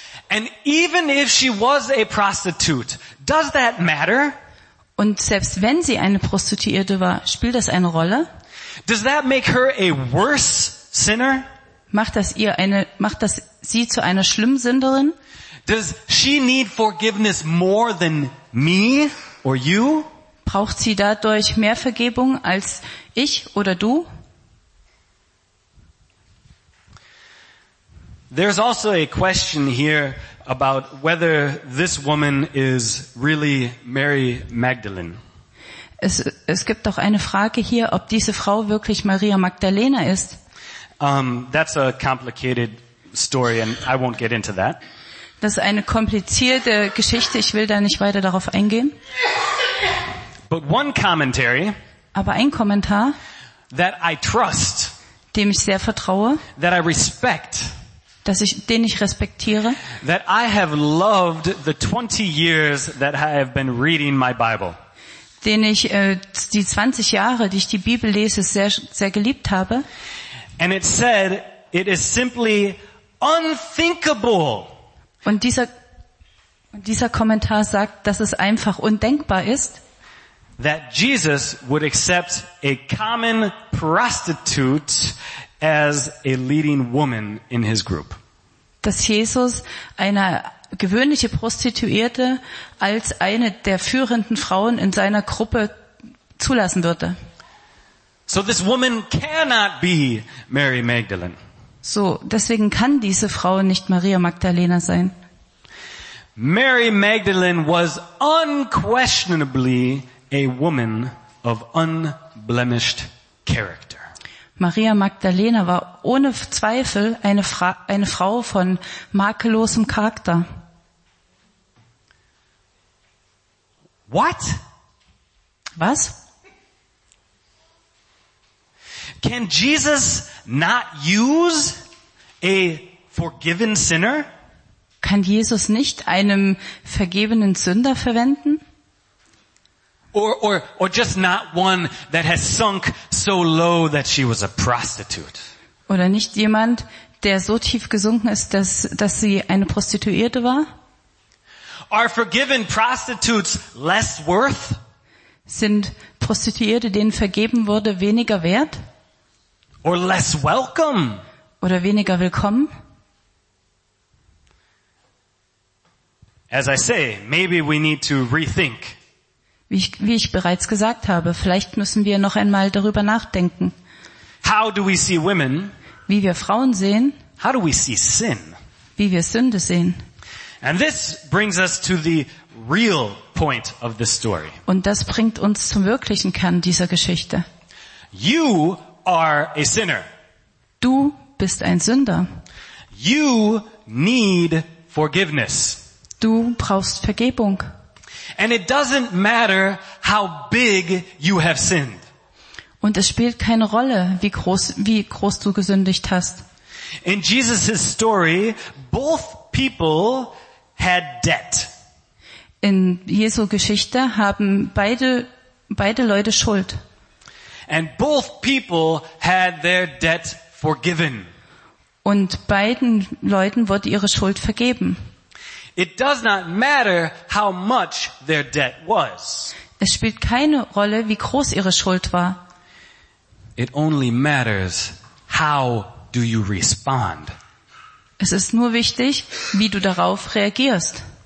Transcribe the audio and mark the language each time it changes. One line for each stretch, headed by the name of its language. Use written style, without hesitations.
English: And even if she was a prostitute, does that matter?
German: Und selbst wenn sie eine Prostituierte war, spielt das eine Rolle?
English: Does that make her a worse sinner?
German: Macht das sie zu einer schlimmen Sünderin?
English: Does she need forgiveness more than me or you?
German: Braucht sie dadurch mehr Vergebung als ich oder du?
English: There's also a question here about whether this woman is really Mary Magdalene.
German: Es gibt auch eine Frage hier, ob diese Frau wirklich Maria Magdalena ist.
English: That's a complicated story and I won't get into that.
German: Das ist eine komplizierte Geschichte, ich will da nicht weiter darauf eingehen.
English: But one commentary,
German: aber ein Kommentar,
English: that I trust,
German: dem ich sehr vertraue,
English: that I respect,
German: dass ich den ich respektiere,
English: that I have loved the 20 years that I have been reading my Bible,
German: den ich die 20 Jahre, die ich die Bibel lese, sehr sehr geliebt habe.
English: And it said it is simply unthinkable.
German: Und dieser Kommentar sagt, dass es einfach undenkbar ist,
English: that Jesus would accept a common prostitute as a leading woman in his group.
German: Dass Jesus eine gewöhnliche Prostituierte als eine der führenden Frauen in seiner Gruppe zulassen würde.
English: So this woman cannot be Mary Magdalene.
German: So, deswegen kann diese Frau nicht Maria Magdalena sein.
English: Mary Magdalene was unquestionably a woman of unblemished character.
German: Maria Magdalena war ohne Zweifel eine Frau von makellosem Charakter.
English: What?
German: Was?
English: Can Jesus not use a forgiven sinner?
German: Kann Jesus nicht einen vergebenen Sünder verwenden?
English: Or just not one that has sunk so low that she was a prostitute.
German: Oder nicht jemand, der so tief gesunken ist, dass sie eine Prostituierte war?
English: Are forgiven prostitutes less worth?
German: Sind Prostituierte, denen vergeben wurde, weniger wert?
English: Or less welcome?
German: Oder weniger willkommen?
English: As I say, maybe we need to rethink.
German: Wie ich bereits gesagt habe, vielleicht müssen wir noch einmal darüber nachdenken.
English: How do we see women?
German: Wie wir Frauen sehen.
English: How do we see sin?
German: Wie wir Sünde sehen.
English: And this brings us to the real point of the story.
German: Und das bringt uns zum wirklichen Kern dieser Geschichte.
English: You are a sinner.
German: Du bist ein Sünder.
English: You need forgiveness.
German: Du brauchst Vergebung.
English: And it doesn't matter how big you have sinned.
German: Und es spielt keine Rolle, wie groß du gesündigt hast.
English: In Jesus' story, both people had debt.
German: In Jesu Geschichte haben beide Leute Schuld.
English: And both people had their debt forgiven.
German: Und beiden Leuten wurde ihre Schuld vergeben.
English: It does not matter how much their debt was.
German: Es spielt keine Rolle, wie groß ihre Schuld war.
English: It only matters how do you respond.
German: Es ist nur wichtig, wie du darauf reagierst.